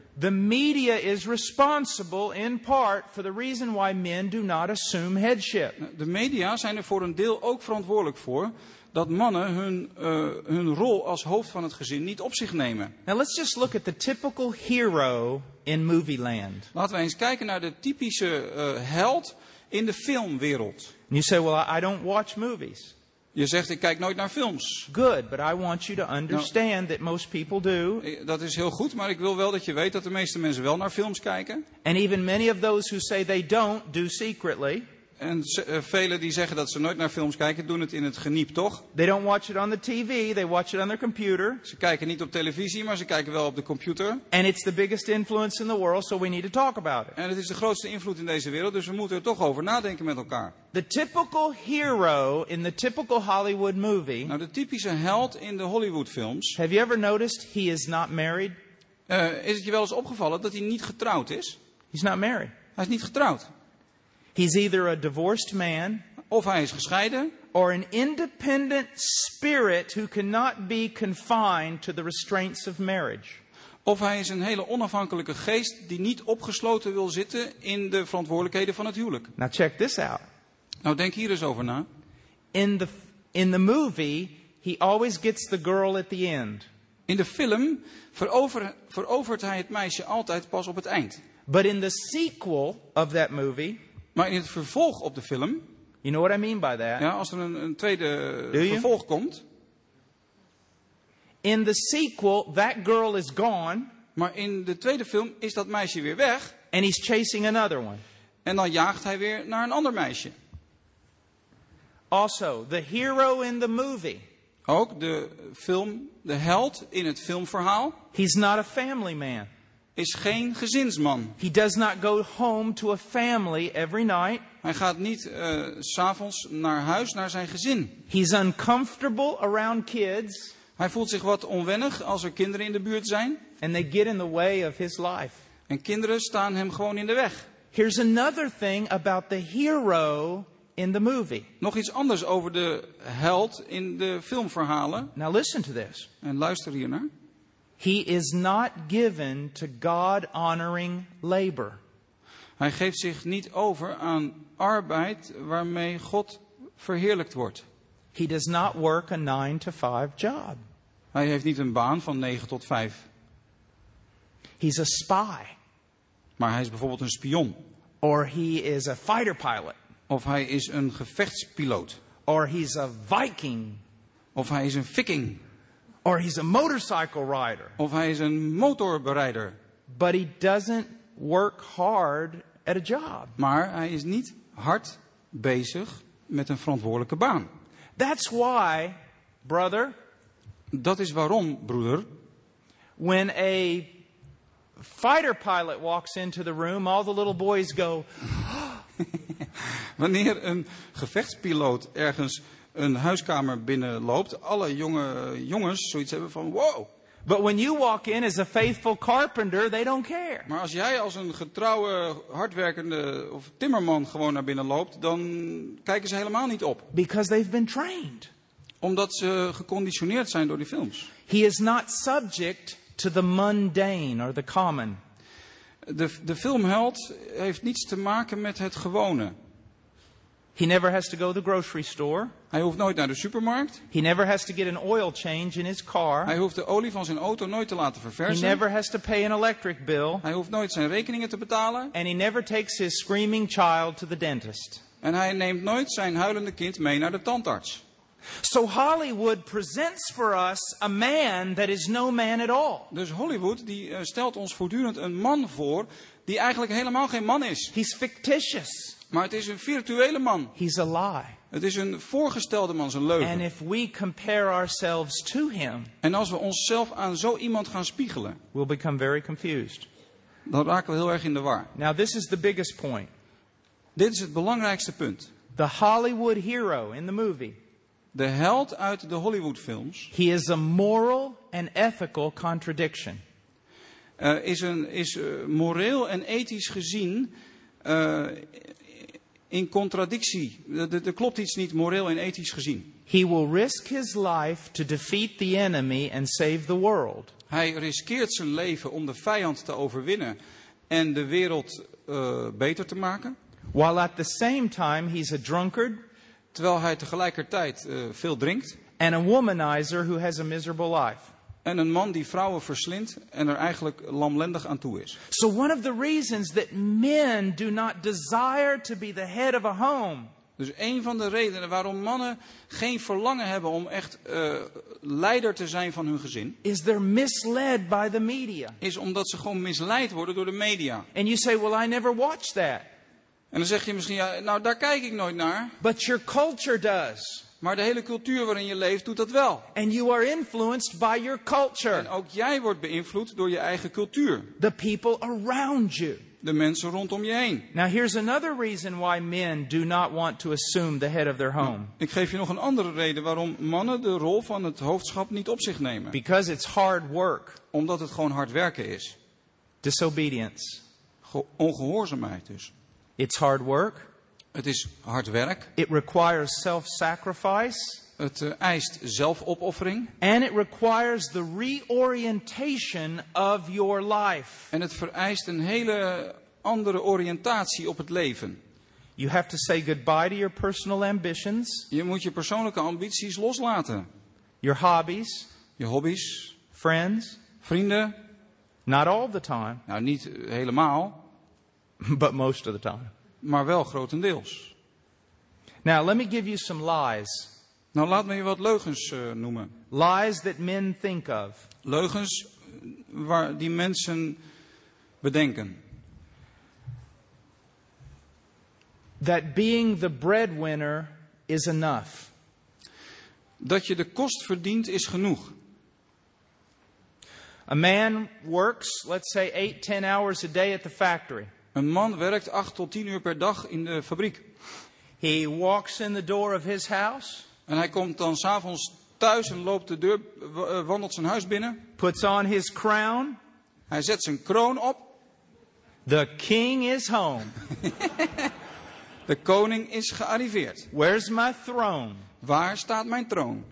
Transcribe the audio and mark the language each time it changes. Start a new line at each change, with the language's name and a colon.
English: The media is responsible in part for the reason why men do not assume headship.
Dutch: De media zijn er voor een deel ook verantwoordelijk voor dat mannen hun rol als hoofd van het gezin niet op zich nemen.
English: Now let's just look at the typical hero in movie land.
Dutch: Laten we eens kijken naar de typische held in de filmwereld.
English: And you say, well, I don't watch movies.
Dutch: Je zegt, ik kijk nooit naar films.
English: Good, but I want you to understand that most people do.
Dutch: Dat is heel goed, maar ik wil wel dat je weet dat de meeste mensen wel naar films kijken.
English: And even many of those who say they don't do secretly.
Dutch: En velen die zeggen dat ze nooit naar films kijken, doen het in het geniep, toch?
English: They don't watch it on the TV, they watch it on their computer.
Dutch: Ze kijken niet op televisie, maar ze kijken wel op de computer.
English: And it's the biggest influence in the world, so we need to talk about it.
Dutch: En het is de grootste invloed in deze wereld, dus we moeten er toch over nadenken met elkaar.
English: The typical hero in the typical Hollywood movie.
Dutch: Nou, de typische held in de Hollywood films.
English: Have you ever noticed he is not married?
Dutch: Is het je wel eens opgevallen dat hij niet getrouwd is?
English: He's not married.
Dutch: Hij is niet getrouwd.
English: He's either a divorced man,
Dutch: of hij is gescheiden,
English: or an independent spirit who cannot be confined to the restraints of marriage.
Dutch: Of hij is een hele onafhankelijke geest die niet opgesloten wil zitten in de verantwoordelijkheden van het huwelijk.
English: Now check this out.
Dutch: Nou, denk hier eens over na.
English: In the movie, he always gets the girl at the end.
Dutch: In de film verovert hij het meisje altijd pas op het eind.
English: But in the sequel of that movie.
Dutch: Maar in het vervolg op de film.
English: You know what I mean by that?
Dutch: Ja, als er een tweede vervolg komt.
English: In the sequel, that girl is gone.
Dutch: Maar in de tweede film is dat meisje weer weg.
English: And he's chasing another one.
Dutch: En dan jaagt hij weer naar een ander meisje.
English: Also, the hero in the movie.
Dutch: Ook de film, de held in het filmverhaal.
English: He's not a family man.
Dutch: Is geen gezinsman.
English: He does not go home to a family every night.
Dutch: Hij gaat niet 's avonds naar huis naar zijn gezin.
English: He's uncomfortable around kids.
Dutch: Hij voelt zich wat onwennig als er kinderen in de buurt zijn.
English: And they get in the way of his life.
Dutch: En kinderen staan hem gewoon in de weg.
English: Here's another thing about the hero in the movie.
Dutch: Nog iets anders over de held in de filmverhalen.
English: Now listen to this.
Dutch: En luister hiernaar.
English: He is not given to God-honoring labor.
Dutch: Hij geeft zich niet over aan arbeid waarmee God verheerlijkt wordt.
English: He does not work a 9-to-5 job.
Dutch: Hij heeft niet een baan van 9 tot 5.
English: He's a spy.
Dutch: Maar hij is bijvoorbeeld een spion.
English: Or he is a fighter pilot.
Dutch: Of hij is een gevechtspiloot.
English: Or he's a Viking.
Dutch: Of hij is een Viking.
English: Or he's a motorcycle rider.
Dutch: Of hij is een motorberijder.
English: But he doesn't work hard at a job.
Dutch: Maar hij is niet hard bezig met een verantwoordelijke baan.
English: That's why, brother.
Dutch: Dat is waarom, broeder.
English: When a fighter pilot walks into the room, all the little boys go.
Dutch: Wanneer een gevechtspiloot ergens een huiskamer binnenloopt, alle jongens zoiets hebben van wow.
English: But when you walk in as a faithful carpenter, they don't care.
Dutch: Maar als jij als een getrouwe, hardwerkende of timmerman gewoon naar binnen loopt, dan kijken ze helemaal niet op.
English: Because they've been trained.
Dutch: Omdat ze geconditioneerd zijn door die films.
English: He is not subject to the mundane or the common.
Dutch: De filmheld heeft niets te maken met het gewone.
English: He never has to go to the grocery store.
Dutch: Hij hoeft nooit naar de supermarkt.
English: He never has to get an oil change in his car.
Dutch: Hij hoeft de olie van zijn auto nooit te laten verversen.
English: He never has to pay an electric bill.
Dutch: Hij hoeft nooit zijn rekeningen te betalen.
English: And he never takes his screaming child to the dentist.
Dutch: En hij neemt nooit zijn huilende kind mee naar de tandarts.
English: So Hollywood presents for us a man that is no man at all.
Dutch: Dus Hollywood die stelt ons voortdurend een man voor die eigenlijk helemaal geen man is.
English: He's fictitious.
Dutch: Maar het is een virtuele man.
English: He's a lie.
Dutch: Het is een voorgestelde man, zijn leugen.
English: And if we compare ourselves to him,
Dutch: en als we onszelf aan zo iemand gaan spiegelen,
English: we'll become very confused.
Dutch: Dan raken we heel erg in de war.
English: Now this is the biggest point.
Dutch: Dit is het belangrijkste punt.
English: The Hollywood hero in the movie.
Dutch: De held uit de Hollywoodfilms.
English: He is a moral and ethical contradiction.
Dutch: Is moreel en ethisch gezien in contradictie. Er klopt iets niet moreel en ethisch gezien.
English: He will risk his life to defeat the enemy and save the world.
Dutch: Hij riskeert zijn leven om de vijand te overwinnen en de wereld beter te maken.
English: While at the same time he's a drunkard.
Dutch: Terwijl hij tegelijkertijd veel drinkt.
English: And a womanizer who has a miserable life.
Dutch: En een man die vrouwen verslindt en er eigenlijk lamlendig aan toe is.
English: So one of the reasons that men do not desire to be the head of a home.
Dutch: Dus een van de redenen waarom mannen geen verlangen hebben om echt leider te zijn van hun gezin.
English: Is they're misled by the media.
Dutch: Is omdat ze gewoon misleid worden door de media.
English: And you say, well, I never watched that.
Dutch: En dan zeg je misschien, ja, nou daar kijk ik nooit naar.
English: But your culture does.
Dutch: Maar de hele cultuur waarin je leeft doet dat wel.
English: And you are influenced by your culture.
Dutch: En ook jij wordt beïnvloed door je eigen cultuur.
English: The people around you.
Dutch: De mensen rondom je heen.
English: Now here's another reason why men do not want to assume the head of their home.
Dutch: Ik geef je nog een andere reden waarom mannen de rol van het hoofdschap niet op zich nemen.
English: Because it's hard work.
Dutch: Omdat het gewoon hard werken is.
English: Disobedience.
Dutch: Ongehoorzaamheid dus.
English: It's hard work.
Dutch: Het is hard werk.
English: It requires self-sacrifice.
Dutch: Het eist zelfopoffering.
English: And it requires the reorientation of your life.
Dutch: En het vereist een hele andere oriëntatie op het leven.
English: You have to say goodbye to your personal ambitions.
Dutch: Je moet je persoonlijke ambities loslaten.
English: Your hobbies.
Dutch: Je hobby's.
English: Friends.
Dutch: Vrienden.
English: Not all the time.
Dutch: Nou, niet helemaal.
English: But most of the time.
Dutch: Maar wel grotendeels.
English: Now let me give you some lies.
Dutch: Nou laat me je wat leugens noemen.
English: Lies that men think of.
Dutch: Leugens waar die mensen bedenken.
English: That being the breadwinner is enough.
Dutch: Dat je de kost verdient is genoeg.
English: A man works, let's say 8-10 hours a day at the factory.
Dutch: Een man werkt 8 tot 10 uur per dag in de fabriek.
English: He walks in the door of his house.
Dutch: En hij komt dan 's avonds thuis en loopt de deur, wandelt zijn huis binnen.
English: Puts on his crown.
Dutch: Hij zet zijn kroon op.
English: The king is home.
Dutch: De koning is gearriveerd.
English: Where's my throne?
Dutch: Waar staat mijn troon?